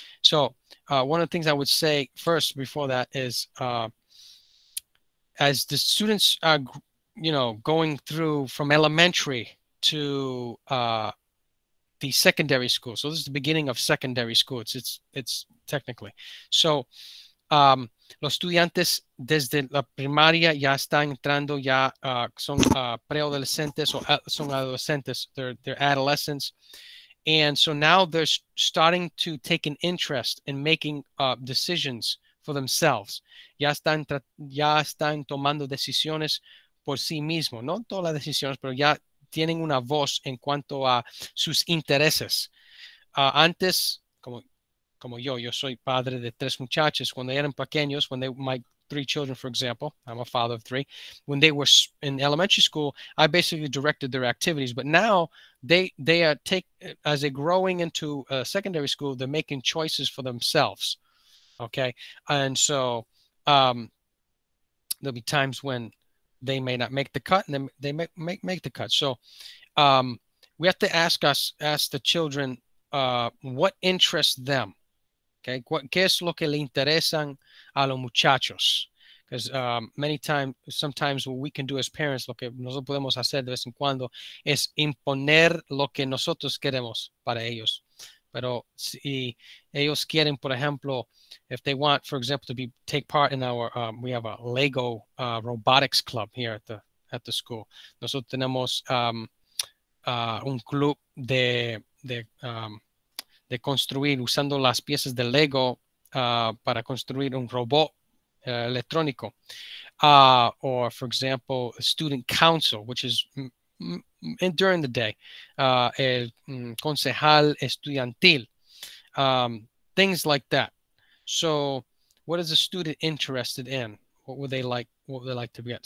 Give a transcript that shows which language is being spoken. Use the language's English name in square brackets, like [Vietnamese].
[English] So one of the things I would say first before that is, as the students are, you know, going through from elementary to the secondary school. So this is the beginning of secondary school. It's technically. [Spanish] So los estudiantes desde la primaria ya están entrando ya son preadolescentes o son adolescentes. [English] They're adolescents. And so now they're starting to take an interest in making decisions for themselves. [Spanish] Ya están tomando decisiones por sí mismo. No todas las decisiones, pero ya tienen una voz en cuanto a sus intereses. Antes, como yo soy padre de tres muchachos. Cuando eran pequeños, [English] my three children, for example, I'm a father of three. When they were in elementary school, I basically directed their activities. But now they are as they're growing into secondary school, they're making choices for themselves. Okay, and so there'll be times when they may not make the cut, and they make the cut. So we have to ask the children what interests them. [Spanish] Okay, ¿qué es lo que le interesan a los muchachos? [English] Because sometimes what we can do as parents, [Spanish] lo que nosotros podemos hacer de vez en cuando, es imponer lo que nosotros queremos para ellos. Pero si ellos quieren, por ejemplo, [English] if they want, for example, to be take part in our, we have a Lego robotics club here at the school. [Spanish] Nosotros tenemos un club de construir usando las piezas de Lego para construir un robot electrónico. [English] Or, for example, a student council, which is and during the day, [Spanish] el concejal estudiantil, [English] things like that. So what is a student interested in? What would they like to get?